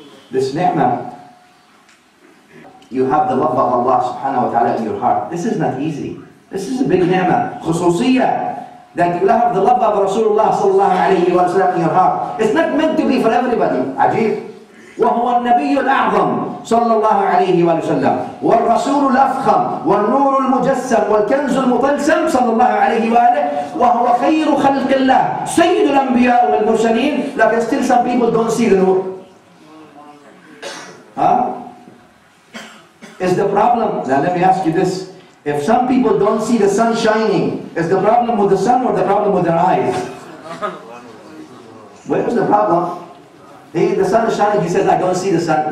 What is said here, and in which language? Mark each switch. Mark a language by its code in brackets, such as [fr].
[en] This ni'mah, you have the love of Allah subhanahu wa ta'ala in your heart. This is not easy. This is a big ni'mah, khususiyya, that you have the love of Rasulullah sallallahu alayhi wa sallam in your heart. It's not meant to be for everybody, ajeeb. [ar] وهو النبي الأعظم صلى الله عليه وسلم والرسول الأفخم والنور المجسم والكنز المطلسم صلى الله عليه وآله وهو خير خلق الله سيد الأنبياء والمرسلين. لكن [en] still some people don't see the nur. Is the problem? Now let me ask you this. If some people don't see the sun shining, is the problem with the sun or the problem with their eyes? Where is the problem? The sun is shining, he says, I don't see the sun.